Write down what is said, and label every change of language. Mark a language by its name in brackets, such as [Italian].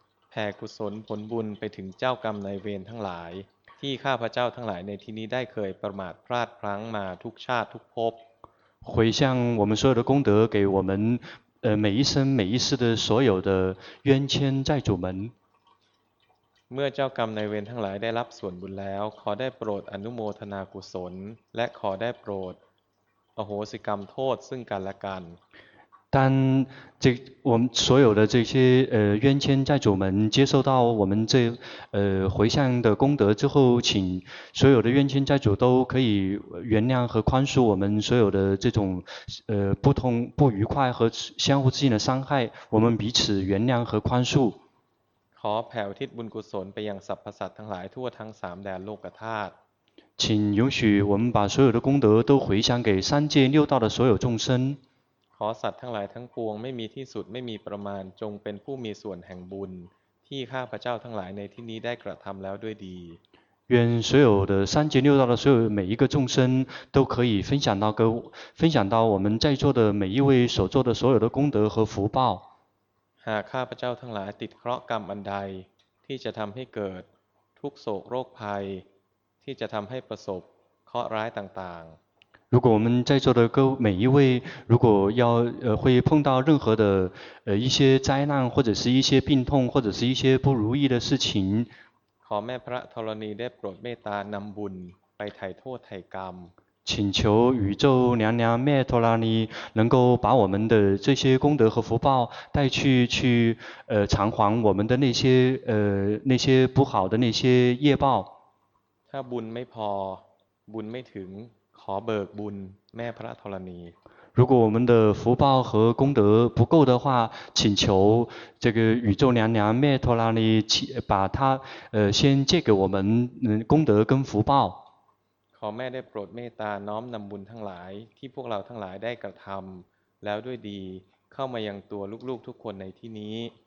[Thai] แผ่กุศลผลบุญไปถึงเจ้ากรรมนายเวรทั้งหลายที่ข้าพเจ้าทั้งหลายในที่นี้ได้เคยประมาทพลาดพลั้งมาทุกชาติทุกภพ [Chinese] 回向我们所有的功德给我们每一生每一世的所有的冤亲债主们 [Thai] เมื่อเจ้ากรรมนายเวรทั้งหลายได้รับส่วนบุญแล้วขอได้โปรดอนุโมทนากุศลและขอได้โปรดอโหสิกรรมโทษซึ่งกันและกัน [Chinese] 当这我们所有的这些冤亲债主们接受到我们这回向的功德之后，请所有的冤亲债主都可以原谅和宽恕我们所有的这种不通不愉快和相互之间的伤害，我们彼此原谅和宽恕。 [Thai] ขอแผ่อุทิศบุญกุศลไปยังสรรพสัตว์ทั้งหลายทั่วทั้งสามแดนโลกธาตุ。 [Chinese] 请允许我们把所有的功德都回向给三界六道的所有众生。 [Thai] ขอสัตว์ทั้งหลายทั้งปวงไม่มีที่สุดไม่มีประมาณจงเป็นผู้มีส่วนแห่งบุญที่ข้าพเจ้าทั้งหลายในที่นี้ได้กระทำแล้วด้วยดี [Chinese] 愿所有的三界六道的所有每一个众生都可以分享到我们在座的每一位所做的所有的功德和福报 [Thai] หากข้าพเจ้าทั้งหลายติดเคราะห์กรรมอันใดที่จะทำให้เกิดทุกโศกโรคภัยที่จะทำให้ประสบเคราะห์ร้ายต่างๆ [Chinese] 如果我们在座的各每一位，如果要会碰到任何的一些灾难，或者是一些病痛，或者是一些不如意的事情， [Thai] ขอแม่พระธรณีได้โปรดเมตตานำบุญไปไถ่โทษไถ่กรรม [Chinese] 请求宇宙娘娘咩陀罗尼能够把我们的这些功德和福报带去偿还我们的那些不好的那些业报。 [Thai] ถ้าบุญไม่พอบุญไม่ถึงขอเบิกบุญแม่พระธรณี [Chinese] 如果我们的福报和功德不够的话，请求这个宇宙娘娘咩陀罗尼把它先借给我们功德跟福报。 [Thai] ขอแม่ได้โปรดเมตตาน้อมนำบุญทั้งหลายที่พวกเราทั้งหลายได้กระทำแล้วด้วยดีเข้ามายังตัวลูกๆทุกคนในที่นี้。